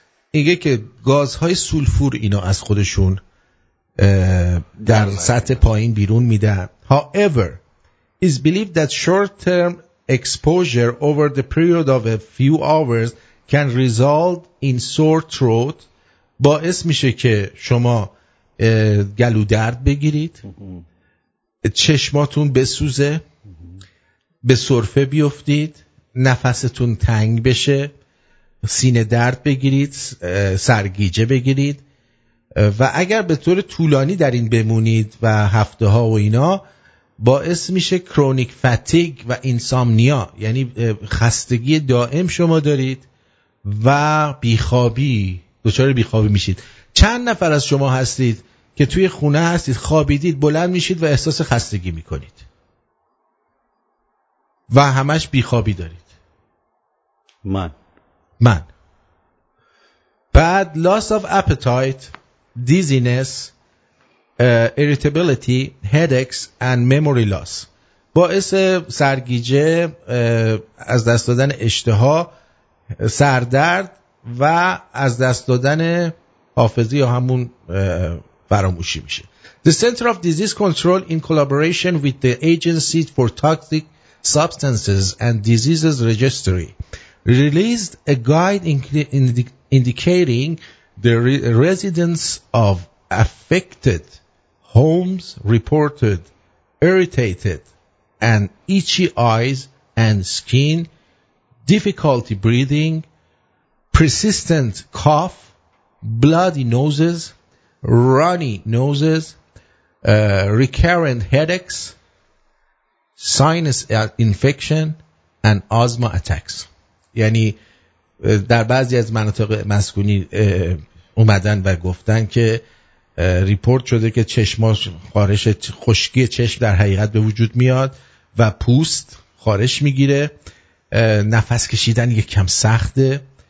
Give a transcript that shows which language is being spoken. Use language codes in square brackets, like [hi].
[fa] اینگه که گازهای سولفور اینا از خودشون در سطح پایین بیرون میده. [en] However, it's believed that short-term exposure over the period of a few hours can result in sore throat. [fa] باعث میشه که شما گلو درد بگیرید، چشماتون بسوزه، به سرفه بیفتید، نفستون تنگ بشه، سینه درد بگیرید، سرگیجه بگیرید. و اگر به طور طولانی در این بمونید و هفته ها و اینا، باعث میشه [en] chronic fatigue [fa] و [en] insomnia, [fa] یعنی خستگی دائم شما دارید و بیخوابی، دچار بیخوابی میشید. چند نفر از شما هستید که توی خونه هستید، خوابیدید، بلند میشید و احساس خستگی میکنید و همش بیخوابی دارید؟ من. بعد [en] loss of appetite, dizziness, irritability, headaches and memory loss. [fa] باعث سرگیجه، از دست دادن اشتها، سردرد و از دست دادن حافظه یا همون فراموشی میشه. [en] The Center of Disease Control in collaboration with the Agency for Toxic Substances and Diseases Registry released a guide indicating the residents of affected homes reported irritated and itchy eyes and skin, difficulty breathing, persistent cough, bloody noses, runny noses, recurrent headaches, sinus infection and asthma attacks. [fa] یعنی در بعضی از مناطق مسکونی اومدن و گفتن که ریپورت شده که چشماش خارش خشکی چشم در حقیقت به وجود میاد و پوست خارش میگیره، نفس کشیدن یک کم سخته،